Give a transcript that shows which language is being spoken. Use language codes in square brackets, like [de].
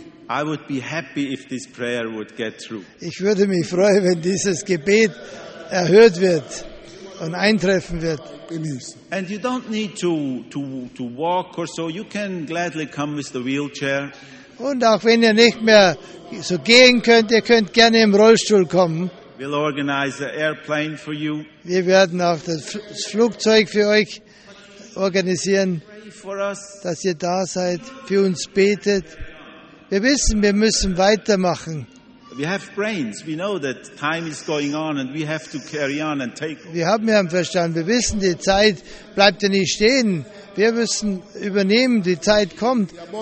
[en] I would be happy if this prayer would get through. [de] Ich würde mich freuen, wenn dieses Gebet erhört wird und eintreffen wird. [en] And you don't need to walk or so. You can gladly come with the wheelchair. [de] Und auch wenn ihr nicht mehr so gehen könnt, ihr könnt gerne im Rollstuhl kommen. [en] We'll organize the airplane for you. [de] Wir werden auch das Flugzeug für euch organisieren, dass ihr da seid, für uns betet. Wir wissen, wir müssen weitermachen. [en] We have brains. We know that time is going on and we have to carry on and take. [de] Wir haben ja einen Verstand. Wir wissen, die Zeit bleibt ja nicht stehen. Wir müssen übernehmen, die Zeit kommt.